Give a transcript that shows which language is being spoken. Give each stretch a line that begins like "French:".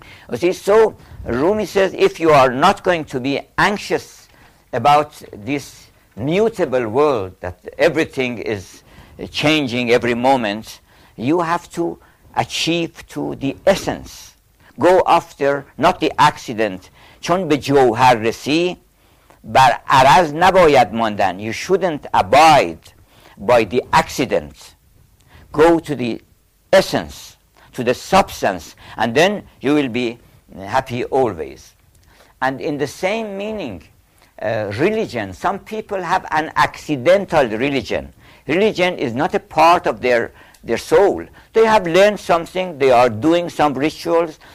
English: You see, so Rumi says, if you are not going to be anxious about this mutable world, that everything is changing every moment, you have to achieve to the essence. Go after, not the accident.
Persian: چون به جوهر رسی بر عرض نباید ماندن.
English: You shouldn't abide by the accident. Go to the essence, to the substance, and then you will be happy always. And in the same meaning, religion, some people have an accidental religion. Religion is not a part of their soul. They have learned something, they are doing some rituals.